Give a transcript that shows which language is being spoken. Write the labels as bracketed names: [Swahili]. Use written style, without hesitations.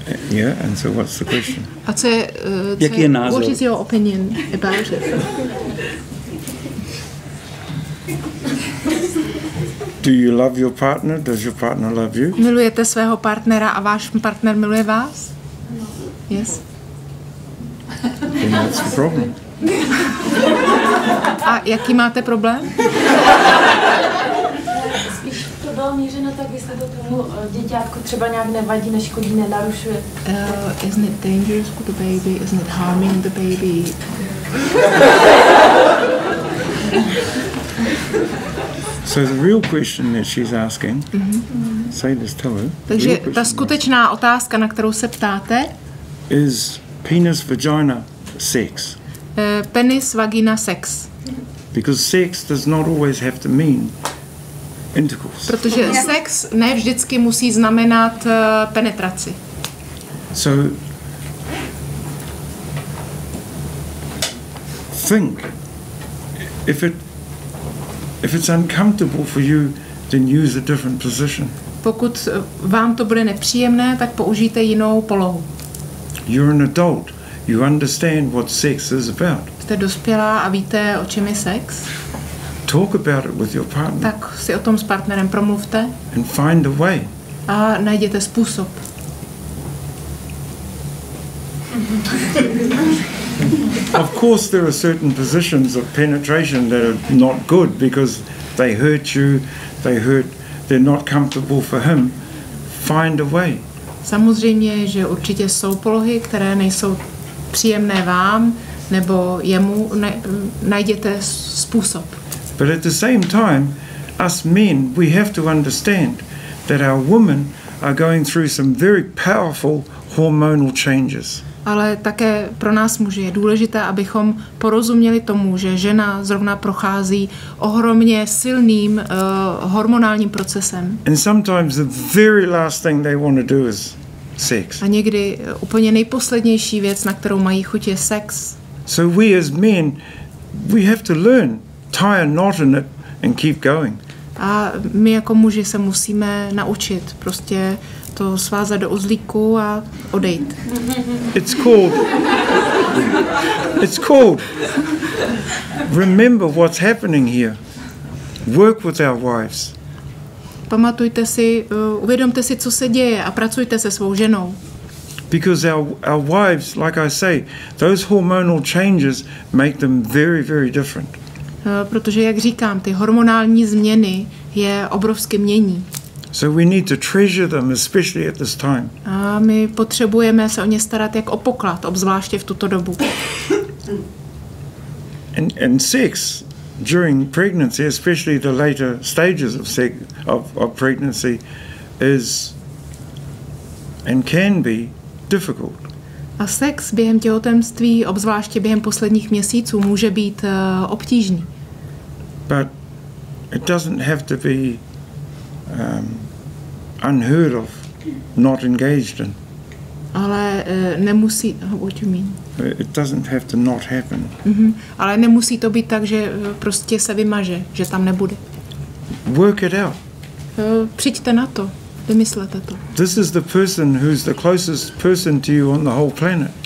[English] Yeah, and so what's the question? [Czech] A co je, jaký je názor? [English] What is your opinion about it? Do you love your partner? Does your partner love you? [Czech] Milujete svého partnera a váš partner miluje vás? [English] Yes. Then that's the problem. [Czech] A jaký máte problém? Spíš to bylo mířeno tak, jestli to tomu děťátku třeba nějak nevadí, neškodí, nenarušuje. [English] Isn't it dangerous for the baby? Isn't it harming the baby? So the real question that she's asking, say this to her. [Czech] Takže ta skutečná otázka, na kterou se ptáte, [English] is penis, vagina, sex. [Czech] Penis, vagina, sex. [English] Because sex does not always have to mean intercourse. [Czech] Protože sex ne vždycky musí znamenat penetraci. [English] So think if it's uncomfortable for you, then use a different position. [Czech] Pokud vám to bude nepříjemné, tak použijte jinou polohu. [English] You're an adult. You understand what sex is about. [Czech] Jste dospělá a víte, o čem je sex? [English] Talk about it with your partner. [Czech] Tak si o tom s partnerem promluvte. [English] And find a way. [Czech] A najděte způsob. [English] Of course there are certain positions of penetration that are not good because they hurt you, they're not comfortable for him. Find a way. [Czech] Samozřejmě, že určitě jsou polohy, které nejsou příjemné vám nebo jemu, najděte způsob. [English] But at the same time, us men, we have to understand that our women are going through some very powerful hormonal changes. [Czech] Ale také pro nás muži je důležité, abychom porozuměli tomu, že žena zrovna prochází ohromně silným hormonálním procesem. [English] And sometimes the very last thing they want to do is sex. [Czech] A někdy úplně nejposlednější věc, na kterou mají chuť, je sex. [English] So we as men, we have to learn, tie a knot in it and keep going. [Czech] A my jako muži se musíme naučit prostě to svázat do uzlíku a odejít. [English] It's called. Remember what's happening here. Work with our wives. [Czech] Pamatujte si, uvědomte si, co se děje a pracujte se svou ženou. [English] Because our wives, like I say, those hormonal changes make them very, very different. [Czech] Protože jak říkám, ty hormonální změny je obrovské mění. [English] So we need to treasure them, especially at this time. [Czech] A my potřebujeme se o ně starat jak o poklad, obzvláště v tuto dobu. [English] And sex during pregnancy, especially the later stages of sex of pregnancy, is and can be difficult. [Czech] A sex během těhotenství, obzvláště během posledních měsíců, může být obtížný. [English] But it doesn't have to be unheard of, not engaged in. [Czech] Ale nemusí, [English] what you mean? It doesn't have to not happen. Mm-hmm. [Czech] Ale nemusí to být tak, že prostě se vymaže, že tam nebude. [English] Work it out. [Czech] Přijďte na to, vymyslete to. [English] This is the person who's the closest person to you on the whole planet.